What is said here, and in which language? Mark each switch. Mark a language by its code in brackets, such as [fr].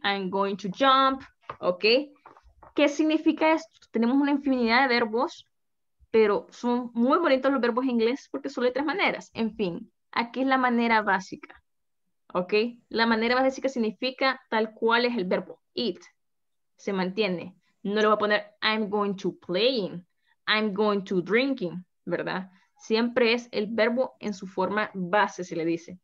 [en] I'm going to jump. ¿Ok? [es] ¿Qué significa esto? Tenemos una infinidad de verbos. Pero son muy bonitos los verbos en inglés porque solo hay tres maneras. En fin, aquí es la manera básica. ¿Ok? La manera básica significa tal cual es el verbo. It. Se mantiene. No le voy a poner [en] I'm going to playing. I'm going to drinking. [es] ¿Verdad? Siempre es el verbo en su forma base, se le dice.